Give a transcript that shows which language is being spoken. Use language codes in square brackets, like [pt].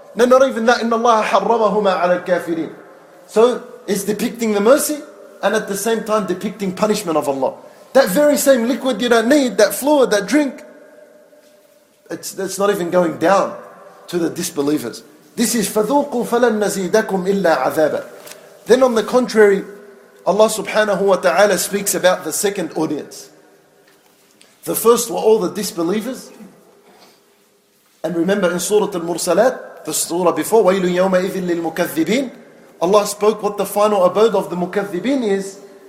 [en] No, not even that. [ar] إِنَّ اللَّهَ حَرَّمَهُمَا عَلَى الْكَافِرِينَ. [en] So it's depicting the mercy and at the same time depicting punishment of Allah. That very same liquid you don't need, that fluid, that drink, it's not even going down to the disbelievers. This is [ar] فَذُوقُوا فَلَن نَزِيدَكُمْ إِلَّا عَذَابًا. [en] Then on the contrary, Allah subhanahu wa ta'ala speaks about the second audience. The first were all the disbelievers. And remember in Surah Al-Mursalat, the surah before, [ar] وَيْلٌ يَوْمَئِذٍ لِلْمُكَذِّبِينَ, [en] Allah spoke what the final abode of the mukathibin is.